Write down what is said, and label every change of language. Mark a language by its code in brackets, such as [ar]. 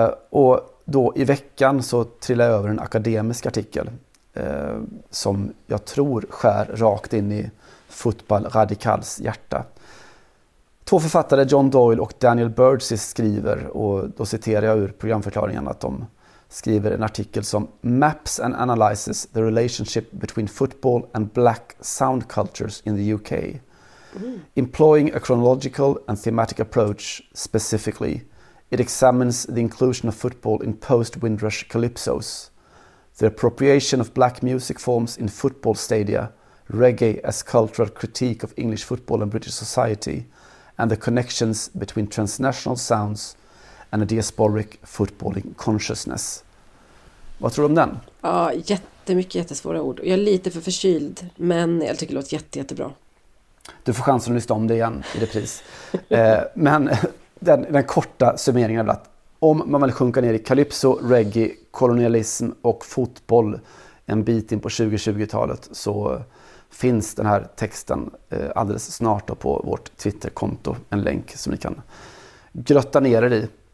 [sv] Och då i veckan så trillade jag över en akademisk artikel som jag tror skär rakt in i fotbollradikals hjärta. Två författare, John Doyle och Daniel Burgess, skriver, och då citerar jag ur programförklaringen, att de skriver en artikel som [en] Maps and Analyzes the Relationship Between Football and Black Sound Cultures in the UK. Employing a chronological and thematic approach specifically, it examines the inclusion of football in post-Windrush calypsos, the appropriation of black music forms in football stadia, reggae as cultural critique of English football and British society, and the connections between transnational sounds and a diasporic footballing consciousness. [sv] Vad tror du om den? Ja, jättemycket jättesvåra ord. Jag är lite för förkyld, men jag tycker det låter jättebra. Du får chansen att lyssna om det igen i repris. men den korta summeringen är att om man vill sjunka ner i calypso, reggae, kolonialism och fotboll en bit in på 2020-talet, så finns den här texten alldeles snart på vårt Twitterkonto, en länk som ni kan grötta ner er i.